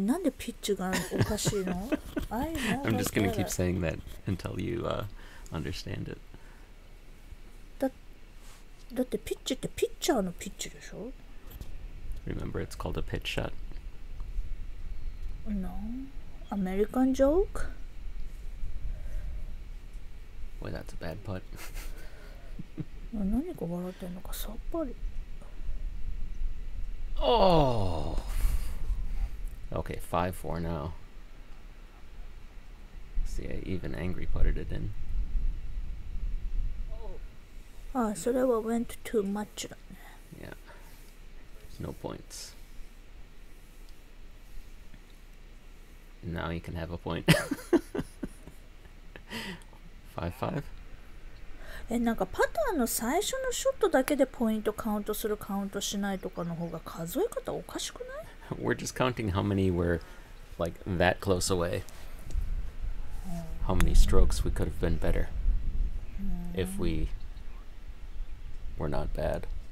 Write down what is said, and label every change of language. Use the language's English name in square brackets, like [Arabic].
[Japanese] なんでピッチがおかしいの? [English] I'm just gonna keep saying that until you understand it. [Japanese] だってピッチってピッチャーのピッチでしょ? [English] Remember, it's called a pitch shot. No. American joke? Boy, that's a bad putt. [Japanese] 何が笑ってんのかさっぱり。 [English] Oh! Okay, 5-4 now. See, I even angry putted it in. Ah, so that went too much. Yeah. No points. Now you can have a point. 5-5? [Japanese] え、なんかパターの最初のショットだけでポイントカウントするカウントしないとかの方が数え方おかしくない? [English] We're just counting how many were like that close away. How many strokes we could have been better if we were not bad.